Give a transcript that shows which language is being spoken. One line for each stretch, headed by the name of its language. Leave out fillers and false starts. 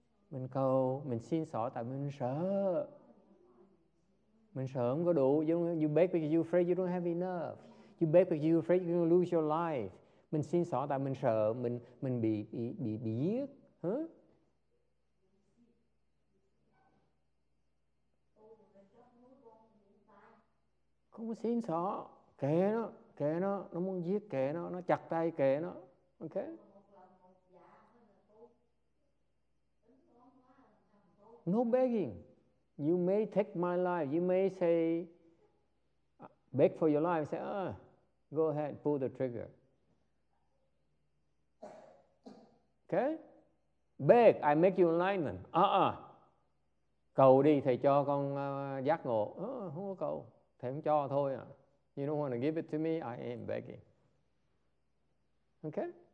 Vietnamese: Mình cầu, mình xin xỏ tại mình sợ. Mình sợ không có đủ.
English: You beg because you're afraid you don't have enough. You beg because you're afraid you're going to lose your life.
Vietnamese: Mình xin xỏ tại mình sợ mình bị giết. Huh? Không có xin xỏ, kệ nó, nó muốn giết kệ nó chặt tay kệ nó, ok?
English: No begging. You may take my life, you may say, beg for your life, say, go ahead, pull the trigger. Ok? Beg, I make you enlightened.
Vietnamese: Cầu đi, thầy cho con giác ngộ. Không có cầu. Thầy không cho thôi à.
English: You don't want to give it to me, I am begging. Okay?